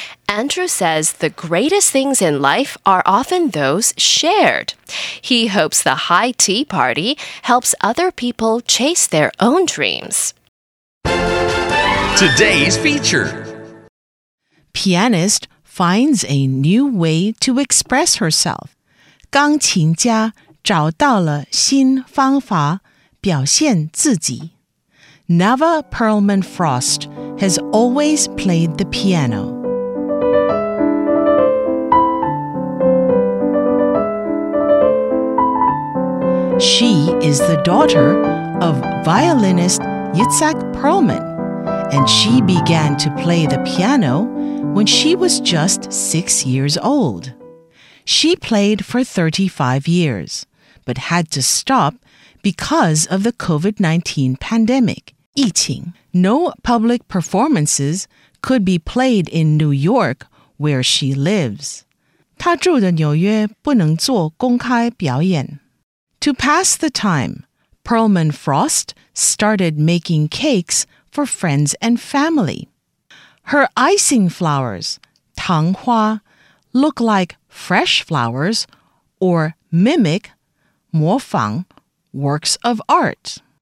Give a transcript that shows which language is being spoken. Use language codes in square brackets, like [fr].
[en] Andrew says the greatest things in life are often those shared. He hopes the high tea party helps other people chase their own dreams. Today's feature. Pianist finds a new way to express herself. [zh] 钢琴家找到了新方法表现自己。 [en] Nava Perlman Frost has always played the piano. She is the daughter of violinist Yitzhak Perlman, and she began to play the piano when she was just 6 years old. She played for 35 years, but had to stop because of the COVID-19 pandemic. Eating. No public performances could be played in New York, where she lives. [zh] 她住的纽约不能做公开表演。 [en] To pass the time, Perlman Frost started making cakes for friends and family. Her icing flowers, [zh] 糖花, [en] look like fresh flowers or mimic, [zh] 模仿, [en] works of art.